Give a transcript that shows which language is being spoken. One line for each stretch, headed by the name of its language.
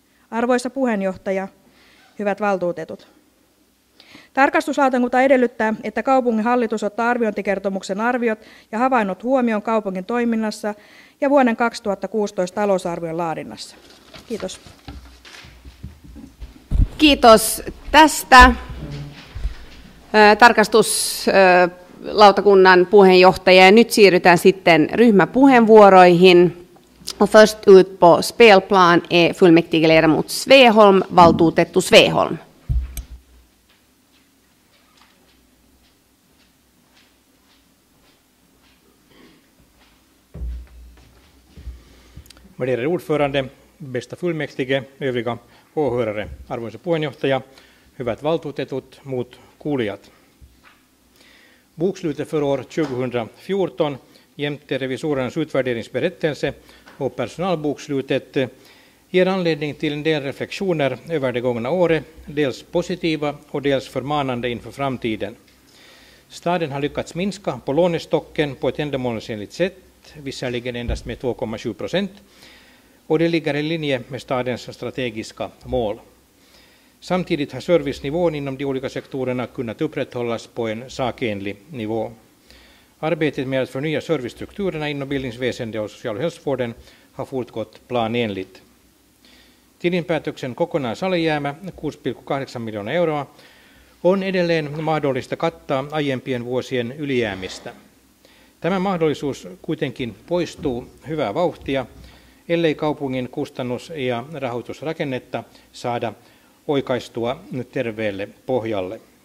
Finnish: Arvoisa puheenjohtaja, hyvät valtuutetut. Tarkastuslautakunta edellyttää, että kaupungin hallitus ottaa arviointikertomuksen arviot ja havainnot huomioon kaupungin toiminnassa ja vuoden 2016 talousarvion laadinnassa. Kiitos. Kiitos tästä. Tarkastuslautakunnan puheenjohtaja, ja nyt siirrytään sitten ryhmäpuheenvuoroihin.
Swedish: Först ut på spelplan är fullmäktigeledamot Sveholm,
Finnish: valtuutettu
Swedish: Sveholm. Värderade ordförande, bästa fullmäktige, övriga åhörare,
Finnish: arvoisa puheenjohtaja, hyvät valtuutetut, muut kuulijat.
Swedish: Bokslutet för år 2014 jämte revisorernas utvärderingsberättelse och personalbokslutet ger anledning till en del reflektioner över det gångna året, dels positiva och dels förmanande inför framtiden. Staden har lyckats minska på lånestocken på ett ändamålsenligt sätt, visserligen endast med 2,7%, och det ligger i linje med stadens strategiska mål. Samtidigt har servicenivån inom de olika sektorerna kunnat upprätthållas på en sakenlig nivå. Arbetet med att förnya servicestrukturerna inom bildningsväsendet och social- och hälsovården har fortgått planenligt.
Finnish: Tilinpäätöksen kokonaisalijäämä 6,8 miljoner euroa on edelleen mahdollista kattaa aiempien vuosien ylijäämistä. Tämä mahdollisuus kuitenkin poistuu hyvää vauhtia, ellei kaupungin kustannus- ja rahoitusrakennetta saada oikaistua terveelle pohjalle.